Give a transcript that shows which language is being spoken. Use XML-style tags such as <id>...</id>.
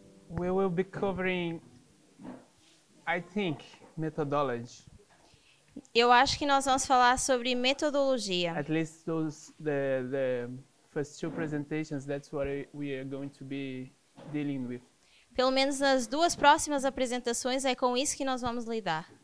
<en>We will be covering, I think, methodology.</en> <pt>Eu acho que nós vamos falar sobre metodologia.</pt> <en>At least those the first two presentations, that's what we are going to be dealing with.</en> <pt>Pelo menos nas duas próximas apresentações é com isso que nós vamos lidar.</pt>